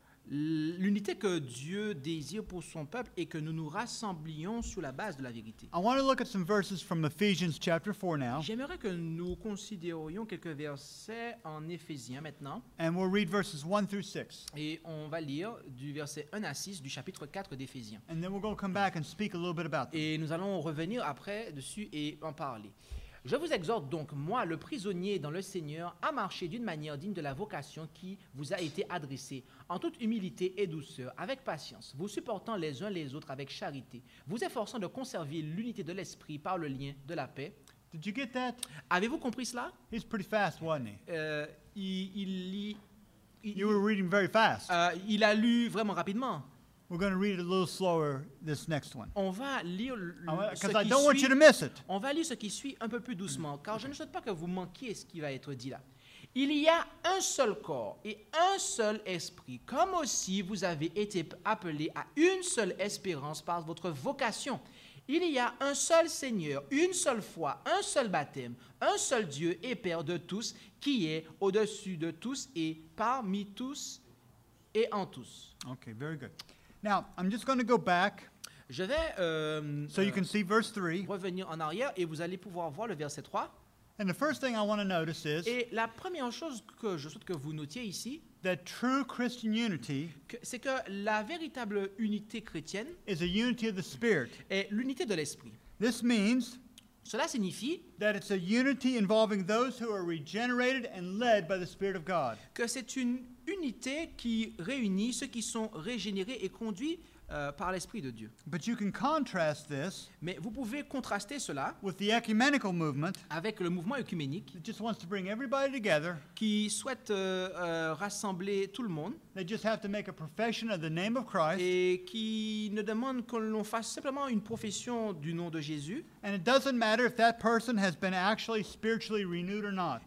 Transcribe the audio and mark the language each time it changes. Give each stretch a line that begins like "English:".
French: L'unité que Dieu désire pour son peuple est que nous nous rassemblions sous la base de la vérité.
English: I want to look at some verses from Ephesians chapter 4 now.
French: J'aimerais que nous considérions quelques versets en Éphésiens maintenant.
English: And we'll read verses 1 through 6.
French: Et on va lire du verset 1 à 6 du chapitre 4 d'Éphésiens.
English: And then we're going to come back and speak a little bit about them.
French: Et nous allons revenir après dessus et en parler. Je vous exhorte donc, moi, le prisonnier dans le Seigneur, à marcher d'une manière digne de la vocation qui vous a été adressée, en toute humilité et douceur, avec patience, vous supportant les uns les autres avec charité, vous efforçant de conserver l'unité de l'esprit par le lien de la paix.
English: Did you get that?
French: Avez-vous compris cela?
English: He's pretty fast, wasn't he?
French: Il
English: you were reading very fast.
French: Il a lu vraiment rapidement.
English: We're going to read it a little slower this next one.
French: On va lire
English: because I don't want you to miss it.
French: On va lire ce qui suit un peu plus doucement, car je ne souhaite pas que vous manquiez ce qui va être dit là. Il y a un seul corps et un seul esprit, comme aussi vous avez été appelés à une seule espérance par votre vocation. Il y a un seul Seigneur, une seule foi, un seul baptême, un seul Dieu et Père de tous, qui est au-dessus de tous et parmi tous et en tous.
English: Okay, very good. Now, I'm just going to go back.
French: Je vais
English: so you can see verse 3.
French: Revenir en arrière et vous allez pouvoir voir le verset 3.
English: And the first thing I want to notice is
French: et la première chose que je souhaite que vous notiez ici,
English: that true Christian unity,
French: c'est que la véritable unité chrétienne
English: is a unity of the spirit.
French: Est l'unité de l'esprit.
English: This means
French: cela signifie
English: that it's a unity involving those who are regenerated and led by the Spirit of God.
French: Que c'est une unité qui réunit ceux qui sont régénérés et conduits par l'Esprit de Dieu.
English: But you can contrast this
French: mais vous pouvez contraster cela
English: with the ecumenical movement
French: avec le mouvement œcuménique
English: that just wants to bring everybody together,
French: qui souhaite rassembler tout le monde.
English: They just have to make a profession of the name of Christ.
French: Et qui ne demande que l'on fasse simplement une profession du nom de Jésus.
English: And it doesn't matter if that person has been actually spiritually renewed or not.